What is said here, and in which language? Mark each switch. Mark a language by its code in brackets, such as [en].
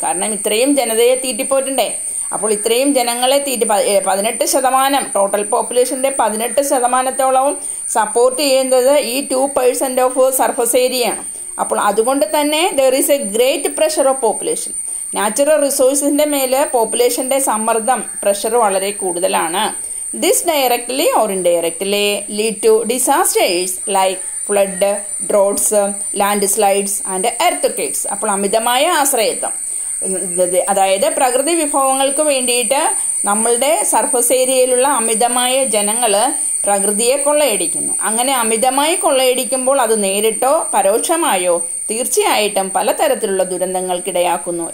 [ml] കാരണം ഇത്രയും ജനതയെ തീറ്റിപ്പോയിട്ടുണ്ടേ. അപ്പോൾ ഇത്രയും ജനങ്ങളെ തീറ്റി 18% ടോട്ടൽ പോപ്പുലേഷൻ്റെ 18% സപ്പോർട്ട് ചെയ്യുന്നത് ഈ 2% ഓഫ് സർഫസ് ഏരിയയാണ്. അപ്പോൾ അതുകൊണ്ട് തന്നെ [en] There is a great pressure of population. [ml] Natural റിസോഴ്സസിൻ്റെ മേൽ പോപ്പുലേഷൻ്റെ സമ്മർദ്ദം, പ്രഷർ വളരെ കൂടുതലാണ്. [en] This directly or indirectly lead to disasters like flood, droughts, landslides and earthquakes. [ml] അപ്പോൾ അമിതമായ ആശ്രയത്വം, അതായത് പ്രകൃതി വിഭവങ്ങൾക്ക് വേണ്ടിയിട്ട് നമ്മളുടെ സർഫസ് ഏരിയയിലുള്ള അമിതമായ ജനങ്ങൾ പ്രകൃതിയെ കൊള്ളയടിക്കുന്നു. അങ്ങനെ അമിതമായി കൊള്ളയടിക്കുമ്പോൾ അത് നേരിട്ടോ പരോക്ഷമായോ തീർച്ചയായിട്ടും പലതരത്തിലുള്ള ദുരന്തങ്ങൾക്കിടയാക്കുന്നു.